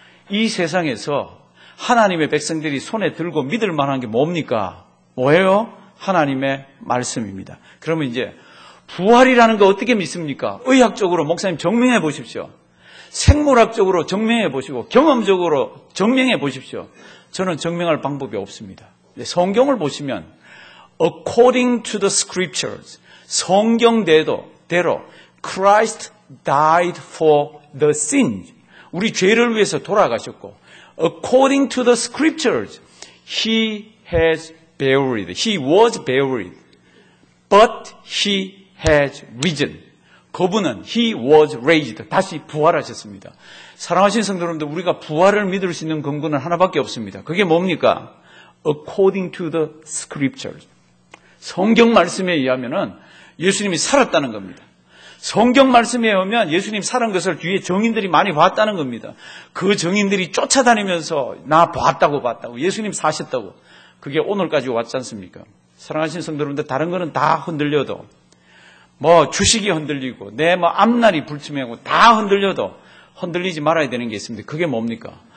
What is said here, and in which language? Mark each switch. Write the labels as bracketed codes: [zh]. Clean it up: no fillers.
[ko] 이 세상에서 하나님의 백성들이 손에 들고 믿을 만한 게 뭡니까? 뭐예요? 하나님의 말씀입니다. 그러면 이제 부활이라는 거 어떻게 믿습니까? 의학적으로 목사님 증명해 보십시오. 생물학적으로 증명해 보시고 경험적으로 증명해 보십시오. 저는 증명할 방법이 없습니다. 성경을 보시면 [en] According to the scriptures, [ko] 성경대로 [en] Christ died for the sin. [ko] 우리 죄를 위해서 돌아가셨고 [en] According to the scriptures, He has buried. He was buried. But He has risen. [ko] 그분은 [en] He was raised. [ko] 다시 부활하셨습니다. 사랑하시는 성도 여러분들, 우리가 부활을 믿을 수 있는 근거는 하나밖에 없습니다. 그게 뭡니까? [en] According to the scriptures. [ko] 성경 말씀에 의하면은 예수님이 살았다는 겁니다. 성경 말씀에 의하면 예수님 살은 것을 뒤에 증인들이 많이 봤다는 겁니다. 그 증인들이 쫓아다니면서 나 봤다고 예수님 사셨다고 그게 오늘까지 왔지 않습니까? 사랑하신 성도 여러분들, 다른 거는 다 흔들려도 뭐 주식이 흔들리고 내 뭐 앞날이 불투명하고 다 흔들려도 흔들리지 말아야 되는 게 있습니다. 그게 뭡니까?